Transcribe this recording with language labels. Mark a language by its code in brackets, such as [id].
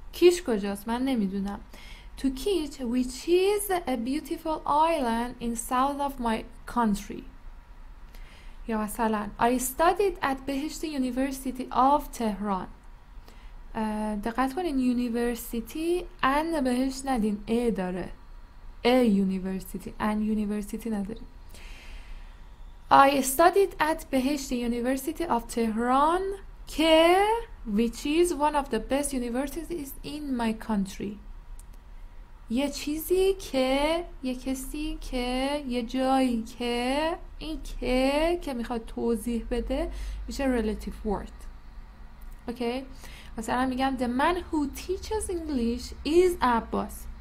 [en] Kish [fa] کجاست؟ من نمیدونم. [en] To Kish which is a beautiful island in south of my country. [fa] یا مثلا [en] I studied at Behesht University of Tehran. [fa] دقت کنین یونیورسیتی and بهشت ندین، A داره، [en] A university and university [fa] نداریم. [en] I studied at Behesht University of Tehran که which is one of the best universities in my country. [fa] یه چیزی که، یه کسی که، یه جایی که، این که میخواد توضیح بده میشه relative word. اوکی؟ مثلا میگم [en] the man who teaches English is Abbas.